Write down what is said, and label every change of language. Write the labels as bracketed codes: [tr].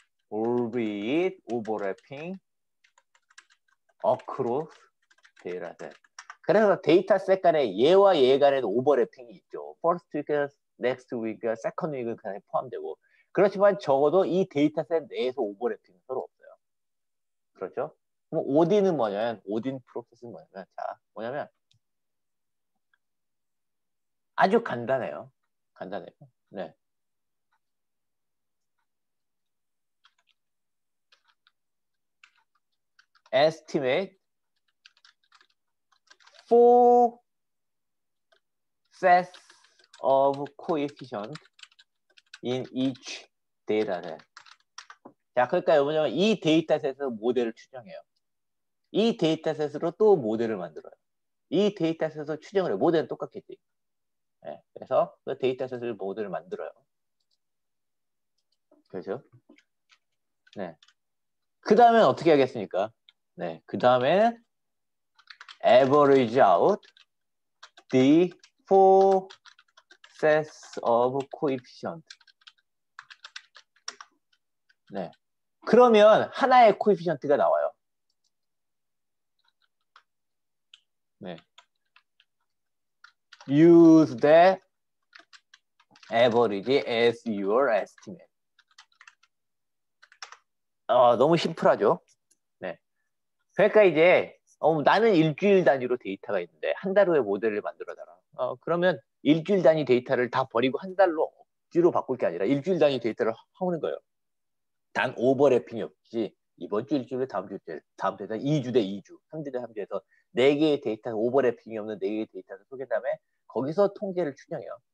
[en] Albeit overlapping across dataset. [ko] 그래서 데이터셋 간에 얘와 얘 간에도 오버래핑이 있죠. [en] First week, next week, second week 간에 포함되고. [ko] 그렇지만 적어도 이 데이터셋 내에서 오버래핑은 서로 없어요. 그렇죠? 그럼 ODIN은 뭐냐면, ODIN 프로세스는 뭐냐면, 자, 뭐냐면, 아주 간단해요. 간단해요. 네. [en] 에스티메이트 4 sets of coefficient in each dataset. [ko] 자, 그러니까 뭐냐면 이 데이터셋에서 모델을 추정해요. 이 데이터셋으로 또 모델을 만들어요. 이 데이터셋에서 추정을 해요. 모델은 똑같겠지. 네, 그래서 그 데이터셋을 모델을 만들어요. 그렇죠? 네. 그 다음엔 어떻게 하겠습니까? 네, 그 다음에 [en] average out the four sets of coefficient. [ko] 네, 그러면 하나의 coefficient가 나와요. 네, [en] use the average as your estimate. [ko] 너무 심플하죠? 그러니까 이제 나는 일주일 단위로 데이터가 있는데 한달 후에 모델을 만들어달라. 그러면 일주일 단위 데이터를 다 버리고 한 달로 억지로 바꿀 게 아니라 일주일 단위 데이터를 하오는 거예요. 단 오버래핑이 없지. 이번 주 일주일에 다음 주 일주일, 다음 주에 2주 대 2주, 3주 대 3주에서 네 개의 데이터, 오버래핑이 없는 네 개의 데이터를 소개한 다음에 거기서 통계를 추정해요.